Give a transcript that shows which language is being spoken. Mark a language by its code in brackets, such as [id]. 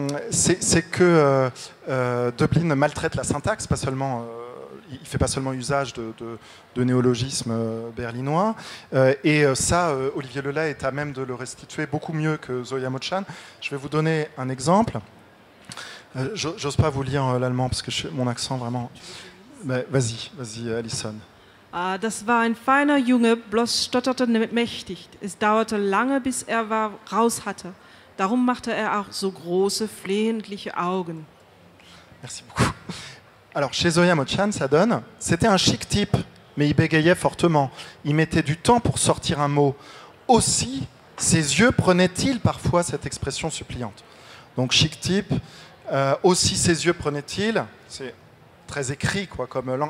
[fr] C'est que Dublin maltraite la syntaxe, pas seulement, il ne fait pas seulement usage de néologismes berlinois. Et ça, Olivier Lelay est à même de le restituer beaucoup mieux que Zoya Mochan. Je vais vous donner un exemple. J'ose pas vous lire l'allemand parce que mon accent vraiment. Mais vas-y, Alison. [de] Ah, das war ein feiner Junge, bloß stotterte mächtig. Es dauerte lange, bis er war raus hatte. Darum machte er auch so große, flehentliche Augen. [fr] Merci beaucoup. Alors, chez Zoya Mochan, ça donne. C'était un chic type, mais il bégayait fortement. Il mettait du temps pour sortir un mot. Aussi, ses yeux prenaient-ils parfois cette expression suppliante. Donc, chic type. Aussi ses yeux prenait-il, c'est très écrit, quoi, comme langue.